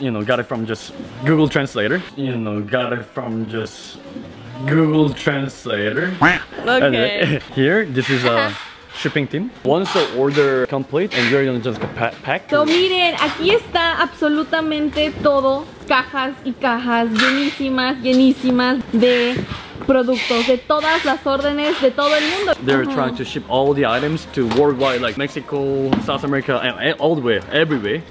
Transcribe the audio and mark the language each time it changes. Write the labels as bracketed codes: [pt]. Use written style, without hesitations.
[en] You know, got it from just Google Translator. You know, got it from just Google Translator. Okay. And here, this is a shipping team. Once the order complete and you're gonna just pack. [es] So miren, aquí está absolutamente todo, cajas y cajas llenísimas de productos de todas las órdenes de todo el mundo. [en] They're trying to ship all the items to worldwide, like Mexico, South America, all the way, everywhere.